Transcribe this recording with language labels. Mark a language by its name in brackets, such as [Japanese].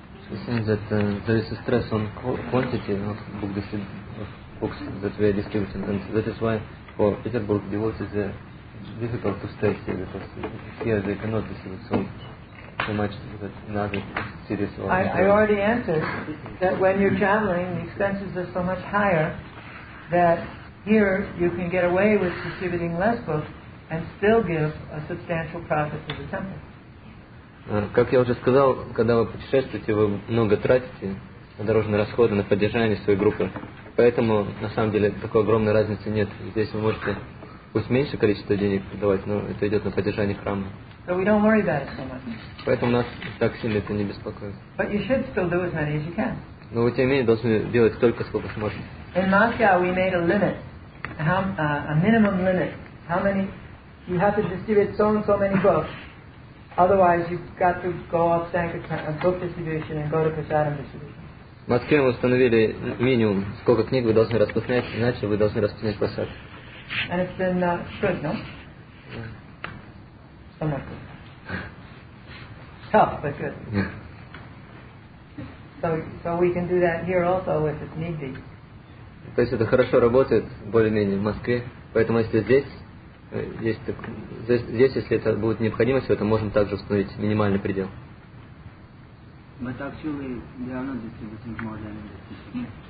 [English] there is a stress on quantity, not book books that we are distributing, and that is why for Peterborough devotees it's difficult to stay here, because here they cannot distribute so much that another series. I already answered that when you're traveling, the expenses are so much higher that here you can get away with distributing less books and still give a substantial profit to the temple. [Russian] Как я уже сказал, когда вы путешествуете, вы много тратите на дорожные расходы, на поддержание своей группы. Поэтому, на самом деле, такой огромной разницы нет. Здесь вы можете, пусть меньше количество денег давать, но это идет на поддержание храма. [English] So we don't worry about it so much. [Russian] Поэтому нас так сильно это не беспокоит. [English] But you should still do as many as you can. [Russian] Но вы, тем не менее, должны делать столько, сколько сможете. [English] In Moscow we made a limit, a minimum limit. How many, you have to distribute so and so many books. Otherwise, you've got to go off Sankirtan book distribution and go to Prasadam distribution. [Russian] В Москве мы установили минимум, сколько книг вы должны распространять, иначе вы должны распространять Прасад. [English] And it's been good, no? Yeah. Somewhat good. Tough, but good. So we can do that here also if it's need be. [Russian] То есть это хорошо работает, более-менее, в Москве. Поэтому если здесь, если это будет необходимость, то можем также установить минимальный предел. [English] But actually, they are not distributing more than in the city.